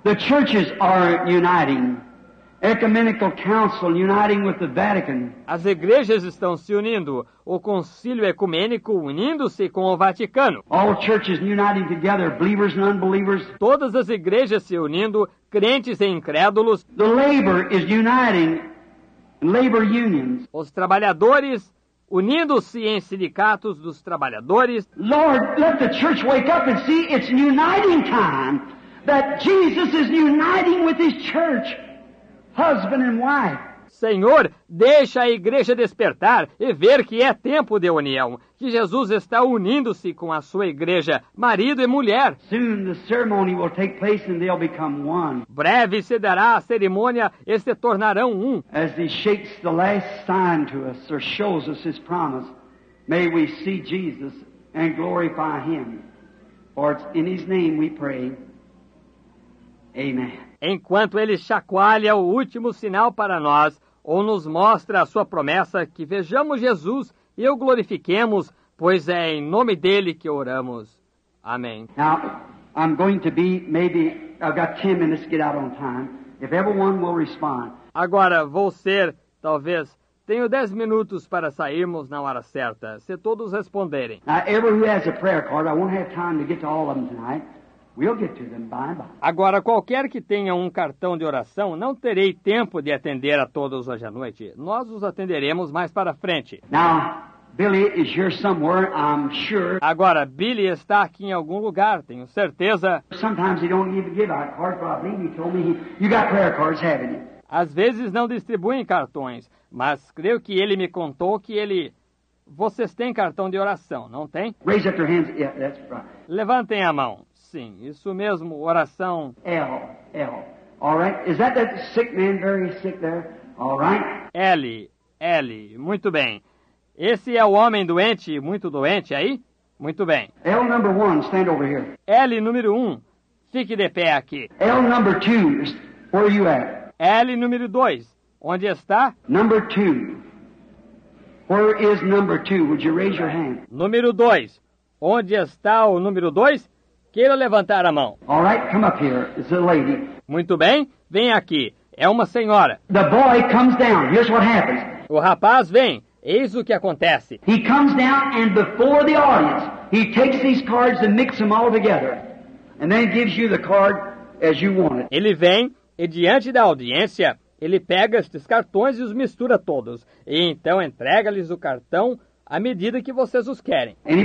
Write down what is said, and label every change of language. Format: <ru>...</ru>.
<en>The churches are uniting. Ecumenical Council uniting with the Vatican.</en> <pt>As igrejas estão se unindo, o Concílio Ecumênico unindo-se com o Vaticano.</pt> <en>All churches uniting together, believers and unbelievers.</en> <pt>Todas as igrejas se unindo, crentes e incrédulos.</pt> <en>The labor is uniting, labor unions.</en> <pt>Os trabalhadores unindo-se em sindicatos dos trabalhadores.</pt> <en>Lord, let the church wake up and see it's uniting time that Jesus is uniting with his church. Husband and wife.</en> <pt>Senhor, deixa a igreja despertar e ver que é tempo de união, que Jesus está unindo-se com a sua igreja, marido e mulher.</pt> <en>Soon the ceremony will take place and they'll become one.</en> <pt>Breve se dará a cerimônia e se tornarão um.</pt> <en>As he shakes the last sign to us or shows us his promise, may we see Jesus and glorify him. For it's in his name we pray. Amen.</en> <pt>Enquanto ele chacoalha o último sinal para nós, ou nos mostra a sua promessa, que vejamos Jesus e o glorifiquemos, pois é em nome dele que oramos. Amém.</pt> <en>Now, I'm going to be, maybe, I've got 10 minutes to get out on time. If everyone will respond.</en> <pt>Agora, vou ser, talvez, tenho 10 minutos para sairmos na hora certa, se todos responderem.</pt> <en>Now, everyone who has a prayer card, I won't have time to get to all of them tonight. We'll get to them by and by.</en> <pt>Agora, qualquer que tenha um cartão de oração, não terei tempo de atender a todos hoje à noite. Nós os atenderemos mais para frente.</pt> <en>Now, Billy is here somewhere, I'm sure.</en> <pt>Agora, Billy está aqui em algum lugar, tenho certeza.</pt> <en>Sometimes he don't even give out cards, but I believe he told me he... You got prayer cards, haven't you?</en> <pt>Às vezes não distribuem cartões, mas creio que ele me contou que ele... Vocês têm cartão de oração, não tem?</pt> <en>Raise up your hands. Yeah, that's right.</en> <pt>Levantem a mão. Sim, isso mesmo, oração.</pt> <en>L, L. All right. Is that that sick man, very sick there? All right.</en> <pt>L, L. Muito bem. Esse é o homem doente, muito doente aí? Muito bem.</pt> <en>L number one, stand over here.</en> <pt>L número um, fique de pé aqui.</pt> <en>L number two, where are you at?</en> <pt>L número dois, onde está?</pt> <en>Number two. Where is number two? Would you raise your hand?</en> <pt>Número dois. Onde está o número dois? Queira levantar a mão.</pt> <en>All right, come up here. It's a lady.</en> <pt>Muito bem, vem aqui. É uma senhora.</pt> <en>The boy comes down. Here's what happens.</en> <pt>O rapaz vem. Eis o que acontece.</pt> <en>He comes down and before the audience, he takes these cards and mix them all together. And then gives you the card as you want it.</en> <pt>Ele vem e diante da audiência... Ele pega estes cartões e os mistura todos. E então entrega-lhes o cartão à medida que vocês os querem.</pt>